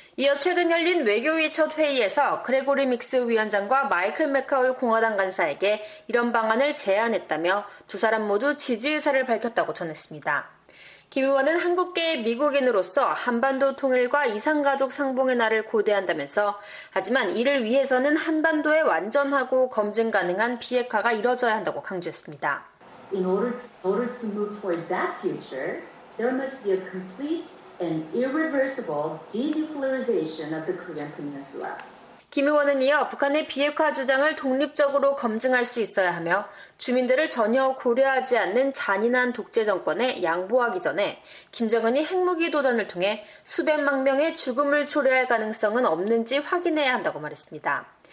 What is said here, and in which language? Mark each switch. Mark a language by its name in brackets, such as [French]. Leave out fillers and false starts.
[Korean] 이어 최근 열린 외교위 첫 회의에서 그레고리 믹스 위원장과 마이클 맥카울 공화당 간사에게 이런 방안을 제안했다며 두 사람 모두 지지 의사를 밝혔다고 전했습니다. 김 의원은 한국계의 미국인으로서 한반도 통일과 이산가족 상봉의 날을 고대한다면서 하지만 이를 위해서는 한반도의 완전하고 검증 가능한 비핵화가 이뤄져야 한다고 강조했습니다. [English] In order to move towards that future, there must be a complete an irreversible denuclearization of the Korean Peninsula. [Korean] 김 의원은 이어 북한의 비핵화 주장을 독립적으로 검증할 수 있어야 하며 주민들을 전혀 고려하지 않는 잔인한 독재 정권에 양보하기 전에 김정은이 핵무기 도전을 통해 수백만 명의 죽음을 초래할 가능성은 없는지 확인해야 한다고 말했습니다.